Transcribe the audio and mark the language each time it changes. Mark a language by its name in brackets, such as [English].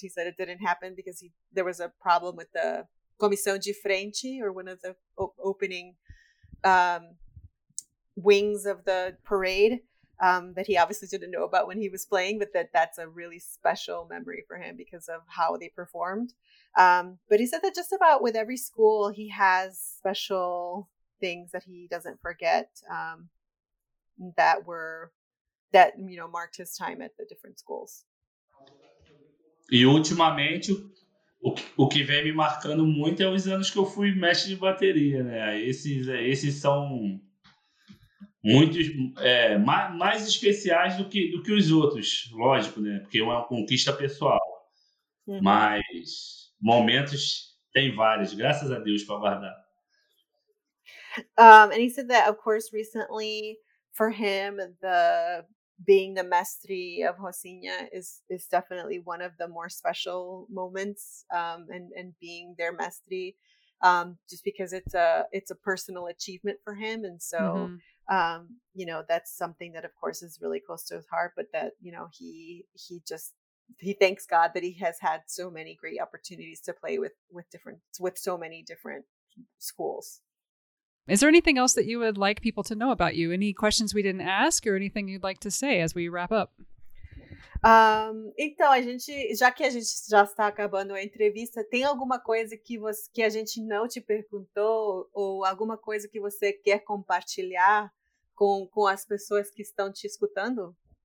[English] He said it didn't happen because there was a problem with the Comissão de Frente, or one of the opening wings of the parade, that he obviously didn't know about when he was playing, but that's a really special memory for him because of how they performed. But he said that just about with every school, he has special things that he doesn't forget that you know, marked his time at the different schools. [Portuguese] E ultimamente, o que vem me marcando muito é os anos que eu fui mestre de bateria, né? Esses são muitos mais especiais do que os outros, lógico, né? Porque é uma conquista pessoal. Uhum. Mas momentos tem vários, graças a Deus, para guardar. [English] And he said that, of course, recently for him, the being the mestre of Rocinha is definitely one of the more special moments, and being their mestre, just because it's a personal achievement for him. And so, mm-hmm. You know, that's something that, of course, is really close to his heart, but that, you know, he thanks God that he has had so many great opportunities to play with so many different schools. Is there anything else that you would like people to know about you? Any questions we didn't ask or anything you'd like to say as we wrap up? [Portuguese] Então, a gente, já que a gente já está acabando a entrevista, tem alguma coisa que a gente não te perguntou ou alguma coisa que você quer compartilhar com as pessoas que estão te escutando?